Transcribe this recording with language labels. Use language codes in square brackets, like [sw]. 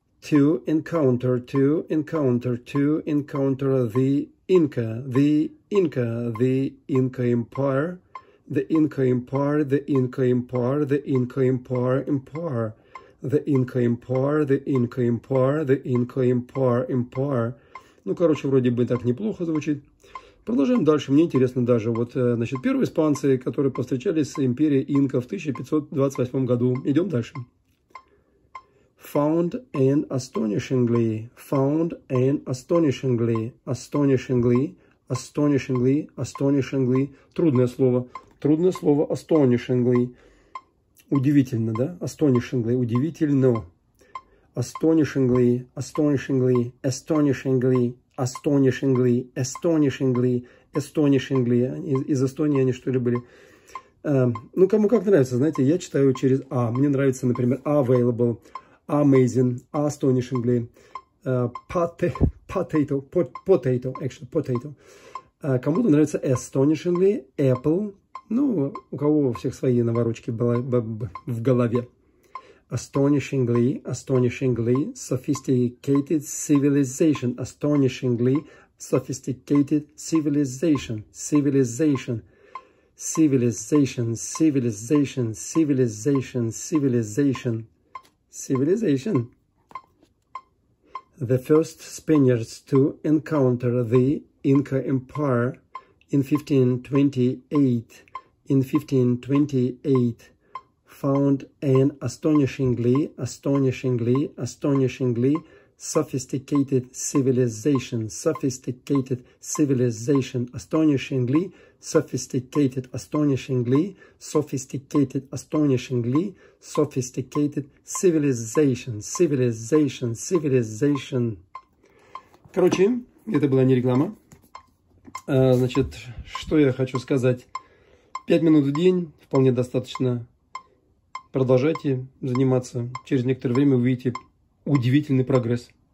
[en] To encounter, to encounter, to encounter the Inca, the Inca, the Inca Empire, the Inca Empire, the Inca Empire, the Inca Empire, Empire, the Inca Empire, the Inca Empire, the Inca Empire, Empire. [ru] Ну, короче, вроде бы так неплохо звучит. Продолжаем дальше. Мне интересно даже, вот, значит, первые испанцы, которые повстречались с империей Инка в 1528 году. Идем дальше. [en] Found an astonishingly, found an astonishingly, astonishingly, astonishingly, astonishingly. [ru] Трудное слово. Трудное слово astonishingly. Удивительно, да? Astonishingly. Удивительно. [en] Astonishingly, astonishingly, astonishingly, astonishingly, astonishingly, astonishingly. [ru] Из Эстонии они что ли были? Ну, кому как нравится, знаете, я читаю через А. Мне нравится, например, [en] available, amazing, astonishingly, potato, potato, actually, potato. [ru] Кому-то нравится [en] astonishingly, apple. [ru] Ну, у кого у всех свои наворочки было в голове. [en] Astonishingly, astonishingly sophisticated civilization. Astonishingly sophisticated civilization. Civilization. Civilization. Civilization. Civilization. Civilization. Civilization. The first Spaniards to encounter the Inca Empire in 1528. In 1528, found an astonishingly, astonishingly, astonishingly sophisticated civilization. Sophisticated civilization. Astonishingly sophisticated. Astonishingly sophisticated. Astonishingly sophisticated civilization. Civilization. Civilization. [ru] Короче, это была не реклама. Значит, что я хочу сказать? 5 минут в день вполне достаточно. Продолжайте заниматься. Через некоторое время увидите удивительный прогресс.